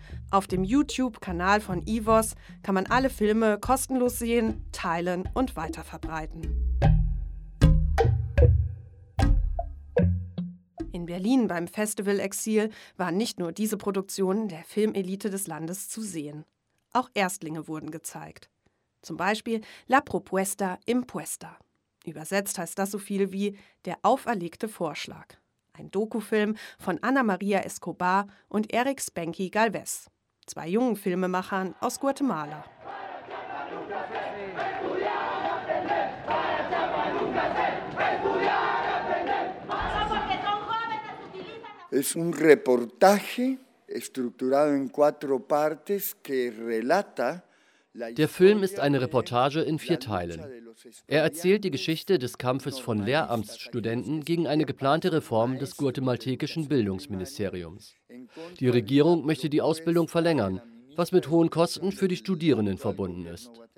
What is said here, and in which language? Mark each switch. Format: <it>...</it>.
<de>Auf dem YouTube-Kanal von IWOS kann man alle Filme kostenlos sehen, teilen und weiterverbreiten. In Berlin beim Festival Exil waren nicht nur diese Produktionen der Filmelite des Landes zu sehen. Auch Erstlinge wurden gezeigt. Zum Beispiel La Propuesta Impuesta. Übersetzt heißt das so viel wie Der auferlegte Vorschlag. Ein Dokufilm von Ana Maria Escobar und Eric Spanky Galvez. Zwei jungen Filmemachern aus Guatemala.</de> <es>Es un reportaje estructurado en cuatro partes que relata.</es> <de>Der Film ist eine Reportage in vier Teilen. Er erzählt die Geschichte des Kampfes von Lehramtsstudenten gegen eine geplante Reform des guatemaltekischen Bildungsministeriums. Die Regierung möchte die Ausbildung verlängern, was mit hohen Kosten für die Studierenden verbunden ist.</de>